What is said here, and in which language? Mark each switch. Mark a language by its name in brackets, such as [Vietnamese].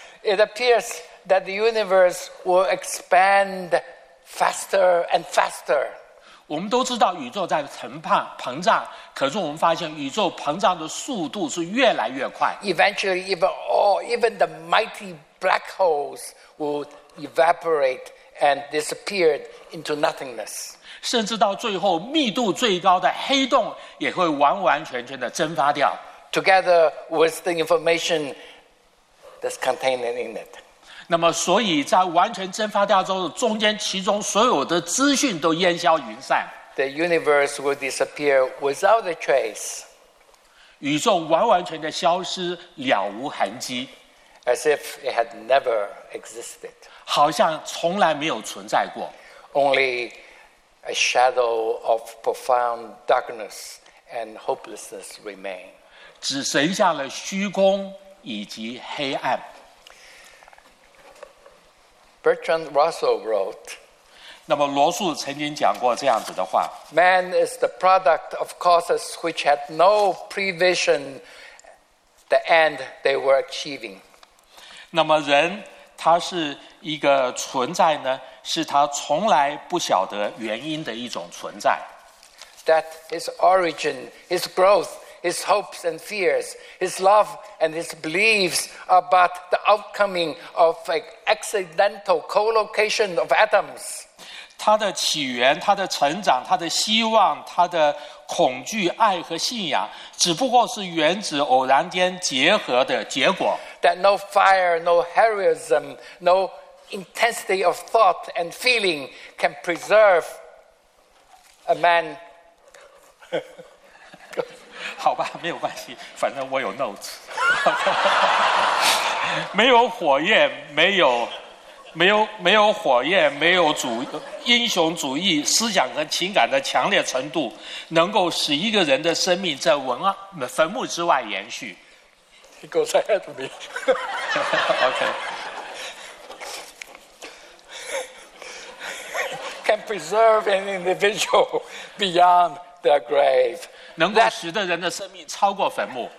[English] It appears that the universe will expand faster and faster. [Chinese] 我们都知道宇宙在膨胀，可是我们发现宇宙膨胀的速度是越来越快。 [English] Eventually, even the mighty black holes will evaporate and disappear into nothingness. [Chinese] 甚至到最后，密度最高的黑洞也会完完全全的蒸发掉。 [English] together with the information that's contained in it. [Chinese] 那么所以在完全蒸发掉之后，中间其中所有的资讯都烟消云散。 [English] The universe will disappear without a trace. [Chinese] 宇宙完完全的消失，了无痕迹。 [English] As if it had never existed. [Chinese] 好像从来没有存在过。 [English] Only a shadow of profound darkness and hopelessness remain. [Chinese] 只剩下了虚空以及黑暗。 [English] Bertrand Russell wrote, [Chinese] 那么罗素曾经讲过这样子的话， [English] Man is the product of causes which had no prevision the end they were achieving. [Chinese] 那么人他是一个存在呢，是他从来不晓得原因的一种存在。 [English] That his origin, his growth, his hopes and fears, his love and his beliefs are but the outcoming of an accidental collocation of atoms. [Chinese] 他的起源，他的成长，他的希望，他的恐惧，爱和信仰，只不过是原子偶然间结合的结果。 [English] That no fire, no heroism, no intensity of thought and feeling can preserve a man. [Chinese] 好吧，没有关系，反正我有 notes。没有火焰，没有火焰，没有主英雄主义思想和情感的强烈程度，能够使一个人的生命在坟墓之外延续。 [English] He goes ahead of me. Okay. Can preserve an individual beyond their grave. [Chinese] 能够使得人的生命超过坟墓。